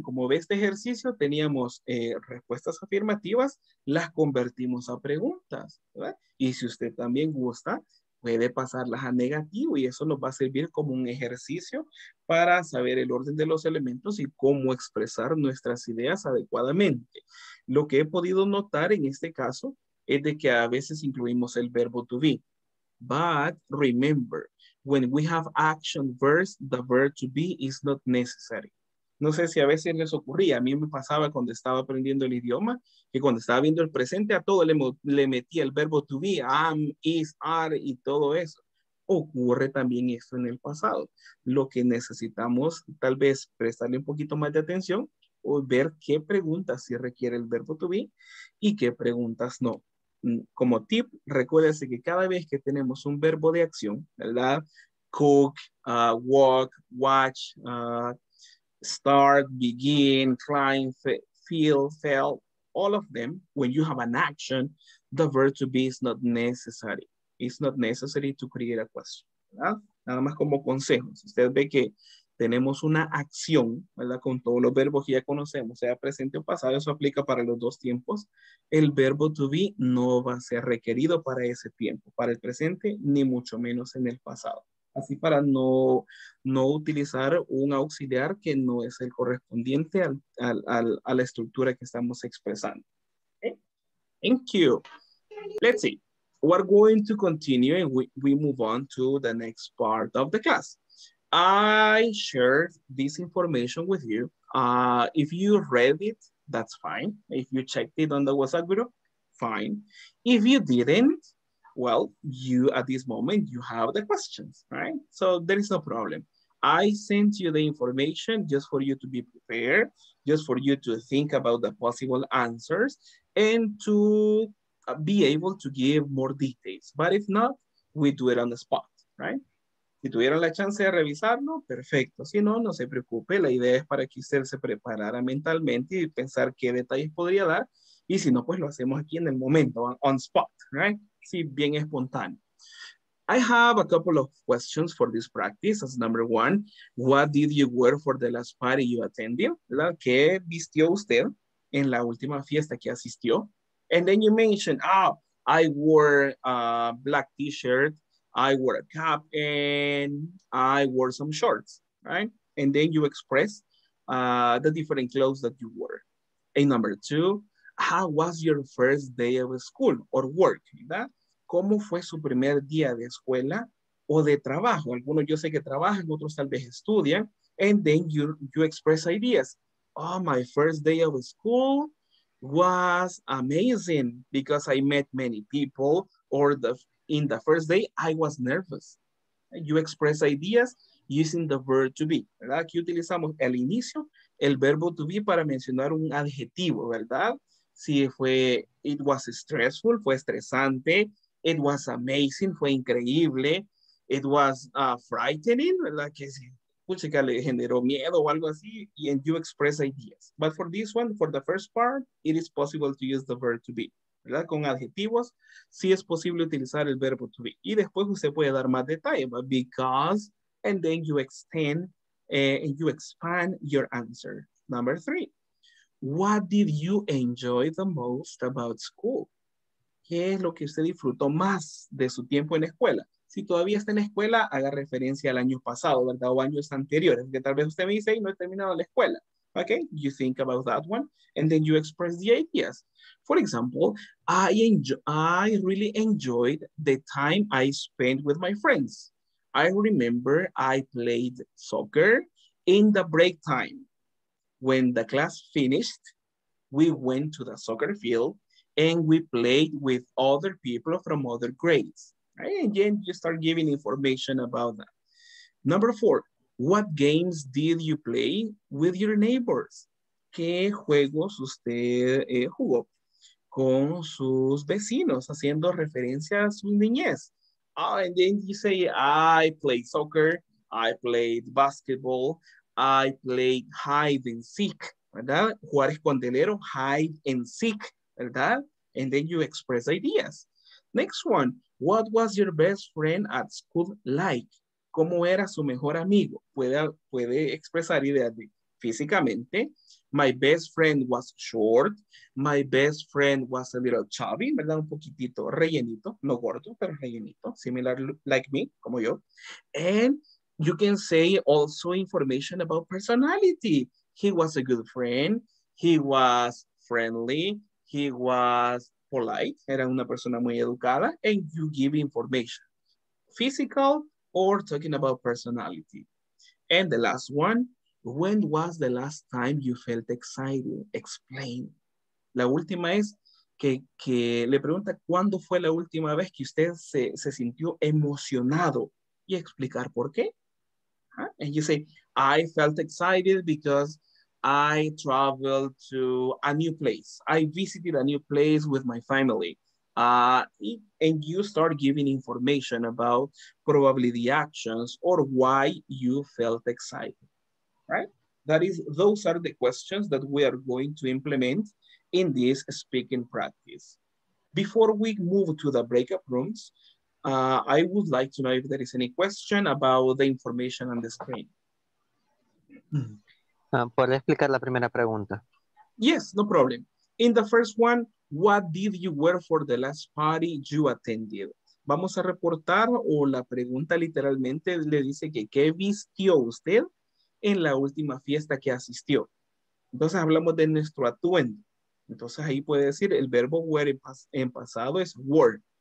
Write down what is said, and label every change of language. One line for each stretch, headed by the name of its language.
Spanish: Como ve este ejercicio, teníamos respuestas afirmativas, las convertimos a preguntas, ¿verdad? Y si usted también gusta, puede pasarlas a negativo y eso nos va a servir como un ejercicio para saber el orden de los elementos y cómo expresar nuestras ideas adecuadamente. Lo que he podido notar en este caso es de que a veces incluimos el verbo to be.
English: But remember, when we have action verbs, the verb to be is not necessary.
Spanish: No sé si a veces les ocurría, a mí me pasaba cuando estaba aprendiendo el idioma, que cuando estaba viendo el presente a todo le metía el verbo to be, am, is, are y todo eso. Ocurre también esto en el pasado. Lo que necesitamos tal vez prestarle un poquito más de atención o ver qué preguntas sí requiere el verbo to be y qué preguntas no. Como tip, recuérdense que cada vez que tenemos un verbo de acción, ¿verdad?
English: Cook, walk, watch, start, begin, climb, feel, fell, all of them, when you have an action, the verb to be is not necessary. It's not necessary to create a question, ¿verdad?
Spanish: Nada más como consejo. Si usted ve que tenemos una acción, ¿verdad? Con todos los verbos que ya conocemos, sea presente o pasado, eso aplica para los dos tiempos. El verbo to be no va a ser requerido para ese tiempo, para el presente, ni mucho menos en el pasado. Así para no utilizar un auxiliar que no es el correspondiente a la estructura que estamos expresando.
English: Okay. Thank you. Let's see. We're going to continue and we move on to the next part of the class. I shared this information with you. If you read it, that's fine. If you checked it on the WhatsApp group, fine. If you didn't, well, you at this moment, you have the questions, right? So there is no problem. I sent you the information just for you to be prepared, just for you to think about the possible answers and to be able to give more details. But if not, we do it on the spot, right?
Spanish: Si tuvieron la chance de revisarlo, perfecto. Si no, no se preocupe. La idea es para que usted se preparara mentalmente y pensar qué detalles podría dar. Y si no, pues lo hacemos aquí en el momento,
English: on spot, right?
Spanish: Sí, bien espontáneo.
English: I have a couple of questions for this practice. As number one, what did you wear for the last party you attended?
Spanish: ¿La que vistió usted en la última fiesta que asistió?
English: And then you mentioned, I wore a black t-shirt. I wore a cap and I wore some shorts, right? And then you express the different clothes that you wore. And number two, how was your first day of school or work, ¿verdad?
Spanish: ¿Cómo fue su primer día de escuela o de trabajo? Algunos yo sé que trabajan, otros tal vez estudian.
English: And then you express ideas. Oh, my first day of school was amazing because I met many people or in the first day, I was nervous. You express ideas using the verb to be, ¿verdad?
Spanish: Aquí utilizamos el inicio, el verbo to be para mencionar un adjetivo, ¿verdad? Si fue,
English: it was stressful,
Spanish: fue estresante.
English: It was amazing,
Spanish: fue increíble.
English: It was frightening, ¿verdad?
Spanish: Que si, puchica, le generó miedo o algo así.
English: And you express ideas. But for this one, for the first part, it is possible to use the verb to be.
Spanish: ¿Verdad? Con adjetivos, sí es posible utilizar el verbo to be. Y después usted puede dar más detalle.
English: Because, and then you extend, you expand your answer. Number three, what did you enjoy the most about school?
Spanish: ¿Qué es lo que usted disfrutó más de su tiempo en escuela? Si todavía está en la escuela, haga referencia al año pasado, ¿verdad? O años anteriores, que tal vez usted me dice, no he terminado la escuela.
English: Okay, you think about that one, and then you express the ideas. For example, I really enjoyed the time I spent with my friends. I remember I played soccer in the break time. When the class finished, we went to the soccer field and we played with other people from other grades. Right? And then you start giving information about that. Number four, what games did you play with your neighbors?
Spanish: ¿Qué juegos usted jugó con sus vecinos, haciendo referencia a su niñez?
English: And then you say, I played soccer, I played basketball, I played hide and seek, ¿verdad?
Spanish: Jugar escondelero,
English: hide and seek, ¿verdad? And then you express ideas. Next one, what was your best friend at school like?
Spanish: ¿Cómo era su mejor amigo? Puede expresar ideas de físicamente.
English: My best friend was short. My best friend was a little chubby, ¿verdad?
Spanish: Un poquitito rellenito, no gordo, pero rellenito,
English: similar like me,
Spanish: como yo.
English: And you can say also information about personality. He was a good friend. He was friendly. He was polite.
Spanish: Era una persona muy educada.
English: And you give information, physical or talking about personality. And the last one, when was the last time you felt excited? Explain.
Spanish: La última es que le pregunta cuándo fue la última vez que usted se sintió emocionado y explicar por qué. Huh?
English: And you say, I felt excited because I traveled to a new place. I visited a new place with my family. And you start giving information about probably the actions or why you felt excited. Right? That is, those are the questions that we are going to implement in this speaking practice. Before we move to the breakout rooms, I would like to know if there is any question about the information on the screen.
Spanish: ¿Puedo explicar la primera pregunta?
English: Yes, no problem. In the first one, what did you wear for the last party you attended?
Spanish: Vamos a reportar, o la pregunta literalmente le dice que ¿qué vistió usted en la última fiesta que asistió? Entonces hablamos de nuestro atuendo. Entonces ahí puede decir el verbo wear en pasado es wore.